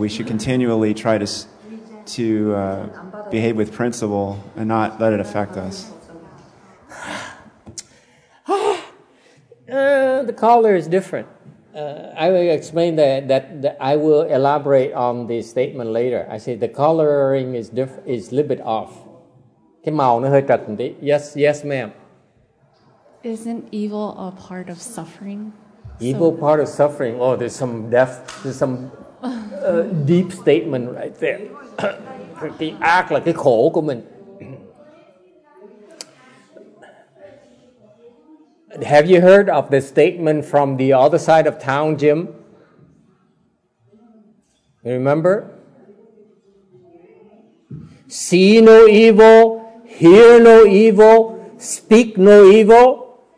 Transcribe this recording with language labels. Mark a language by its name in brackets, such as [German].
[English] We should continually try to behave with principle and not let it affect us. The caller is different. I will explain that I will elaborate on the statement later. I say the coloring is a little bit off. [Vietnamese] Cái màu nó hơi trạch một tí. [English] Yes, yes, ma'am. Isn't evil a part of suffering? Evil so, part of suffering? Oh, there's some deep statement right there. [Vietnamese] Cái ác là cái khổ của mình. [English] Have you heard of the statement from the other side of town, Jim? You remember? See no evil. Hear no evil, speak no evil.